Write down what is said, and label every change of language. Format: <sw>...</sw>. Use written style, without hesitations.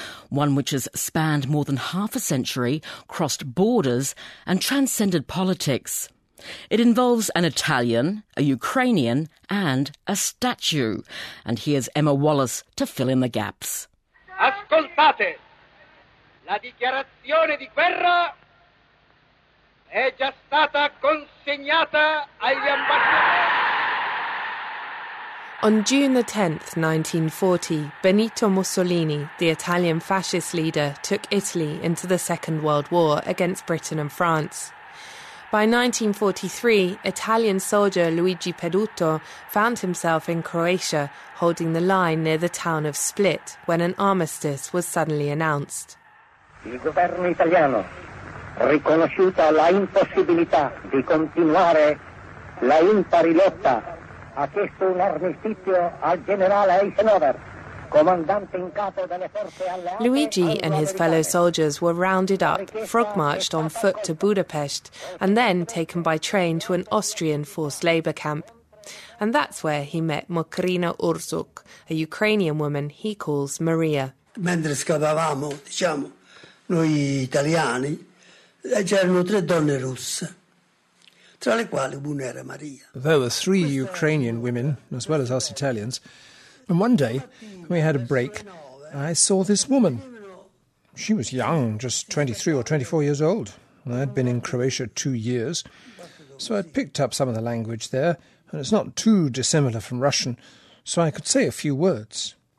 <en>One which has spanned more than half a century, crossed borders and transcended politics. It involves an Italian, a Ukrainian and a statue. And here's Emma Wallace to fill in the gaps.</en> <it>Ascoltate! La dichiarazione di guerra è già stata consegnata agli ambasciatori.</it> <en>On June the 10th, 1940, Benito Mussolini, the Italian fascist leader, took Italy into the Second World War against Britain and France. By 1943, Italian soldier Luigi Peduto found himself in Croatia, holding the line near the town of Split, when an armistice was suddenly announced.</en> <it>Il governo italiano, riconosciuta la impossibilità di continuare la imparilotta, ha chiesto un armistizio al generale Eisenhower.</it> <en>Luigi and his fellow soldiers were rounded up, frog-marched on foot to Budapest, and then taken by train to an Austrian forced labor camp. And that's where he met Mokrina Urzuk, a Ukrainian woman he calls Maria.</en> <it>Mentre scavavamo, diciamo, noi italiani, c'erano tre donne russe. Tra le quali una era Maria.</it> <en>There were three Ukrainian women, as well as us Italians. And one day, when we had a break, I saw this woman. She was young, just 23 or 24 years old. I'd been in Croatia 2 years, so I'd picked up some of the language there, and it's not too dissimilar from Russian, so I could say a few words.</en>